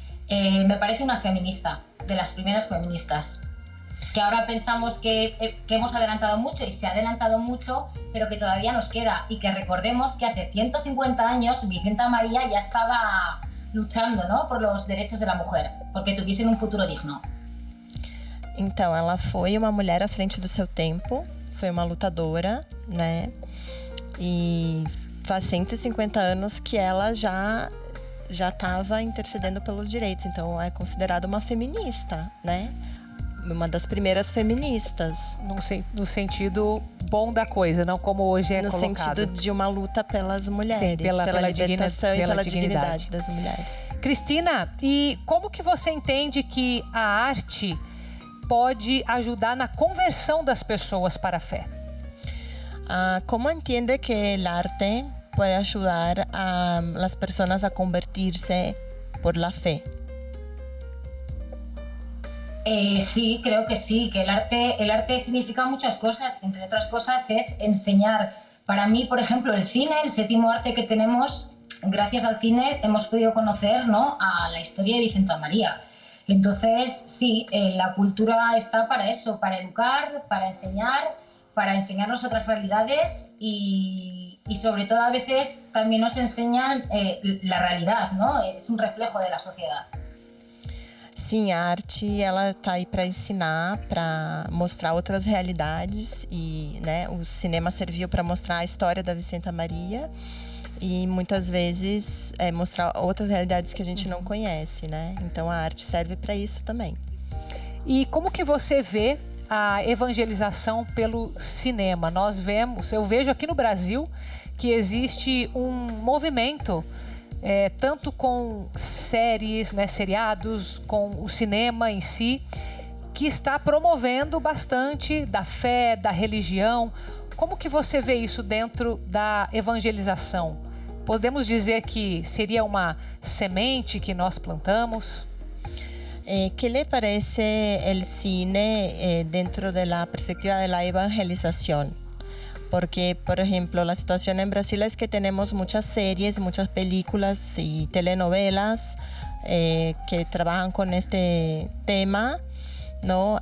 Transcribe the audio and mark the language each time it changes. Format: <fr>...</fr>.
<es>Me parece una feminista, de las primeras feministas. Que ahora pensamos que hemos adelantado mucho y se ha adelantado mucho, pero que todavía nos queda. Y que recordemos que hace 150 años Vicenta María ya estaba luchando, ¿no?, por los derechos de la mujer, porque tuviesen un futuro digno.</es> <pt>Então, ela foi uma mulher à frente do seu tempo, foi uma lutadora, né? E faz 150 anos que ela já estava intercedendo pelos direitos, então é considerada uma feminista, né? Uma das primeiras feministas. No sentido bom da coisa, não como hoje é no colocado. No sentido de uma luta pelas mulheres, sim, pela libertação pela dignidade das mulheres. Cristina, e como que você entende que a arte pode ajudar na conversão das pessoas para a fé? Como entende que a arte pode ajudar as pessoas a</pt> <es>convertir-se por la</es> <pt>fé?</pt> <es>Sí, creo que sí, que el arte significa muchas cosas, entre otras cosas es enseñar. Para mí, por ejemplo, el cine, el séptimo arte que tenemos, gracias al cine hemos podido conocer, ¿no?, a la historia de Vicenta María. Entonces, sí, la cultura está para eso, para educar, para enseñarnos otras realidades y sobre todo a veces también nos enseñan la realidad, ¿no? Es un reflejo de la sociedad.</es> <pt>Sim, a arte ela está aí para ensinar, para mostrar outras realidades e, né, o cinema serviu para mostrar a história da Vicenta Maria e muitas vezes mostrar outras realidades que a gente não conhece, né? Então a arte serve para isso também. E como que você vê a evangelização pelo cinema? Nós vemos, eu vejo aqui no Brasil que existe um movimento tanto com séries, né, seriados, com o cinema em si, que está promovendo bastante da fé, da religião. Como que você vê isso dentro da evangelização? Podemos dizer que seria uma semente que nós plantamos?</pt> <es>¿Qué le parece el cine dentro de la perspectiva de la evangelización? Porque, por ejemplo, la situación en Brasil es que tenemos muchas series, muchas películas y telenovelas que trabajan con este tema, ¿no?</es>